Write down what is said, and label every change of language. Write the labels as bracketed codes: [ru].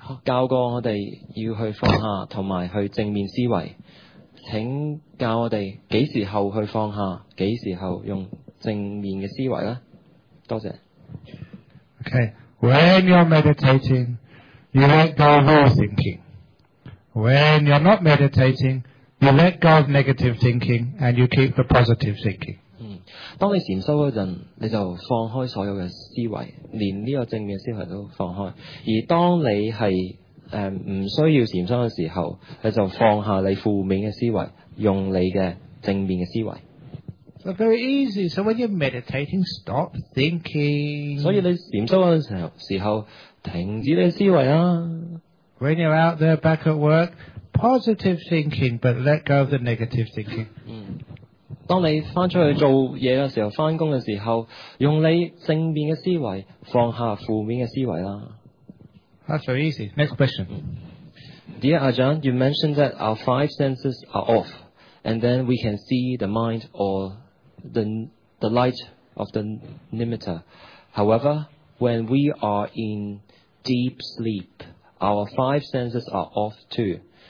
[yue] 教过我哋要去放下，同埋去正面思维。请教我哋几时候去放下，几时候用正面嘅思维咧？多谢。 [en] Okay, when you're meditating, you let go of all thinking. When you're not meditating, you let go of negative thinking and you keep the positive thinking. [yue] 当你禅修嗰阵，你就放开所有嘅思维，连呢个正面思维都放开。而当你系唔需要禅修嘅时候，你就放下你负面嘅思维，用你嘅正面嘅思维。 [en] So very easy. So when you're meditating, stop thinking. [yue] 所以你禅修嗰阵时候，停止你嘅思维啦。 [en] When you're out there back at work, positive thinking, but let go of the negative thinking. [yue] 当你翻出去做嘢嘅时候，翻工嘅时候，用你正面嘅思维放下负面嘅思维啦。 [en] That's very easy. Next question. Dear Ajahn, you mentioned that our five senses are off, and then we can see the mind or the light of the nimitta. However, when we are in deep sleep, our five senses are off too.